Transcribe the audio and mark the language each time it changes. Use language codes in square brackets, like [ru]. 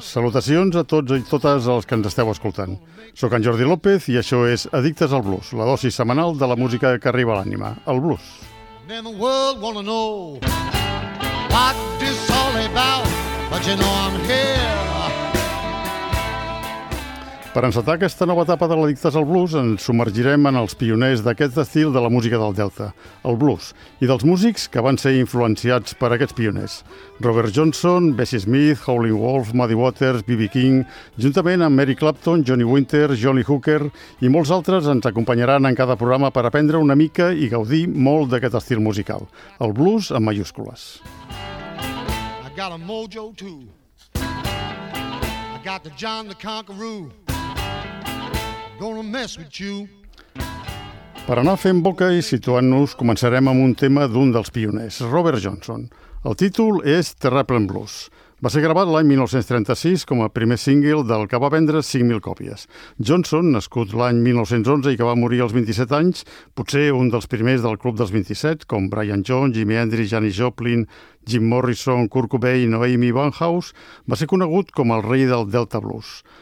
[ca] Salutacions a tots i totes els que ens esteu escoltant. Soc en Jordi López i això és Addictes al Blues, la dosi setmanal de la música que arriba a l'ànima, el blues. [en] Then the world wanna know what this all about, but you know I'm here. [ca] Per encetar aquesta nova etapa de l'Addictes al Blues, ens submergirem en els pioners d'aquest estil de la música del Delta, el blues, i dels músics que van ser influenciats per aquests pioners. Robert Johnson, Bessie Smith, Howlin' Wolf, Muddy Waters, B.B. King, juntament amb Eric Clapton, Johnny Winter, Johnny Hooker i molts altres ens acompanyaran en cada programa per aprendre una mica i gaudir molt d'aquest estil musical, el blues en majúscules. [en] I got a mojo too. I got the John the Conqueror. Gonna mess with you. [ca] Per anar fent boca i situant-nos, començarem amb un tema d'un dels pioners, Robert Johnson. El títol és Terraplen Blues. Va ser gravat l'any 1936 com a primer single del que va vendre 5.000 còpies. Johnson, nascut l'any 1911 i que va morir als 27 anys, potser un dels primers del Club dels 27, com Brian Jones, Jimi Hendrix, Janis Joplin, Jim Morrison, Kurt Cobain o Amy Winehouse, va ser conegut com el rei del Delta Blues.